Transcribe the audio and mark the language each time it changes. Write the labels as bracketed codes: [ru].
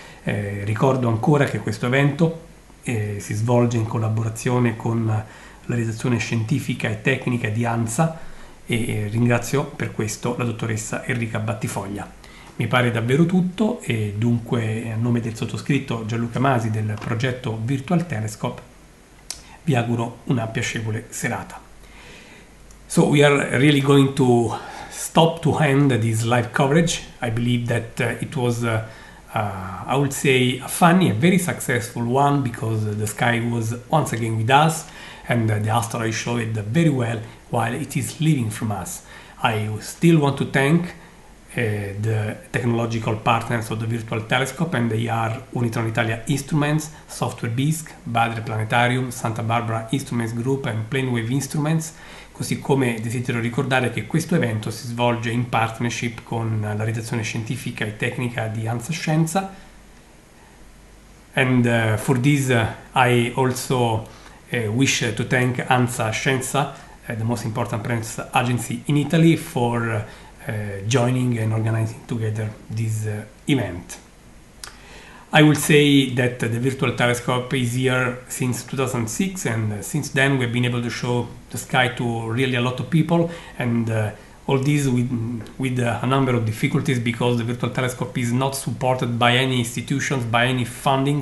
[it] Ricordo ancora che questo evento si svolge in collaborazione con la redazione scientifica e tecnica di ANSA, e ringrazio per questo la dottoressa Enrica Battifoglia. Mi pare davvero tutto, e dunque a nome del sottoscritto Gianluca Masi del progetto Virtual Telescope vi auguro una piacevole serata. [en] So we are really going to stop to end this live coverage. I believe that it was I would say a funny, a very successful one, because the sky was once again with us and the asteroid showed it very well while it is leaving from us. I still want to thank the technological partners of the Virtual Telescope, and they are Unitron Italia Instruments, Software Bisc, Baader Planetarium, Santa Barbara Instruments Group and Planewave Instruments. [it] Così come desidero ricordare che questo evento si svolge in partnership con la redazione scientifica e tecnica di ANSA Scienza. [en] And for this I also wish to thank ANSA Scienza, the most important press agency in Italy, for joining and organizing together this event. I will say that the Virtual Telescope is here since 2006, and since then we've been able to show the sky to really a lot of people, and all this with a number of difficulties, because the Virtual Telescope is not supported by any institutions, by any funding.